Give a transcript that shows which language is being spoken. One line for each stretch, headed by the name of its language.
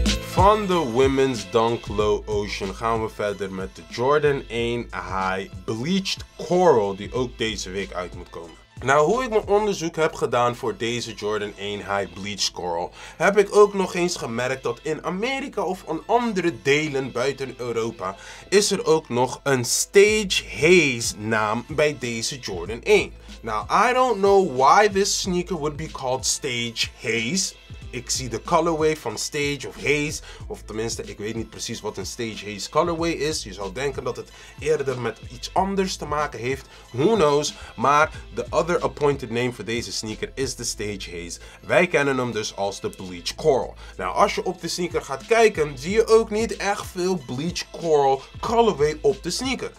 Dutch: Van de Women's Dunk Low Ocean gaan we verder met de Jordan 1 High Bleached Coral, die ook deze week uit moet komen. Nou, hoe ik mijn onderzoek heb gedaan voor deze Jordan 1 High Bleached Coral, heb ik ook nog eens gemerkt dat in Amerika of in andere delen buiten Europa, is er ook nog een Stage Haze naam bij deze Jordan 1.
English: Nou, I don't know why this sneaker would be called Stage Haze.
Dutch: Ik zie de colorway van Stage of Haze. Of tenminste, ik weet niet precies wat een Stage Haze colorway is. Je zou denken dat het eerder met iets anders te maken heeft.
English: Who knows?
Dutch: Maar de
English: other appointed name
Dutch: voor deze sneaker is de Stage Haze. Wij kennen hem dus als de Bleach Coral. Nou, als je op de sneaker gaat kijken, zie je ook niet echt veel Bleach Coral colorway op de sneaker.